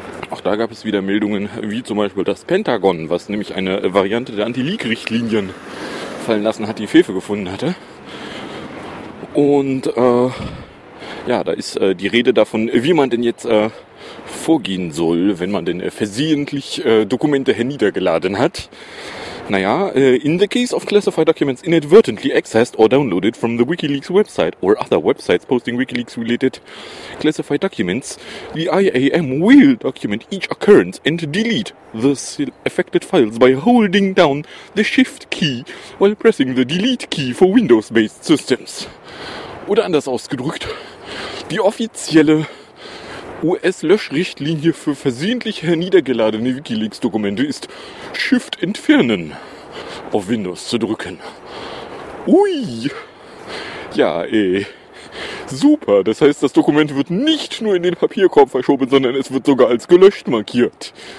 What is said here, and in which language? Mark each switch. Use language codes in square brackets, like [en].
[de] Auch da gab es wieder Meldungen, wie zum Beispiel das Pentagon, was nämlich eine Variante der Anti-Leak-Richtlinien fallen lassen hat, die Pfeife gefunden hatte. Und da ist die Rede davon, wie man denn jetzt vorgehen soll, wenn man denn versehentlich Dokumente herniedergeladen hat. [en] Naja, in the case of classified documents inadvertently accessed or downloaded from the WikiLeaks website or other websites posting WikiLeaks-related classified documents, the IAM will document each occurrence and delete the affected files by holding down the Shift key while pressing the Delete key for Windows-based systems. [de] Oder anders ausgedrückt, die offizielle US-Löschrichtlinie für versehentlich herniedergeladene WikiLeaks-Dokumente ist Shift entfernen auf Windows zu drücken. Ui! Ja, super, das heißt, das Dokument wird nicht nur in den Papierkorb verschoben, sondern es wird sogar als gelöscht markiert.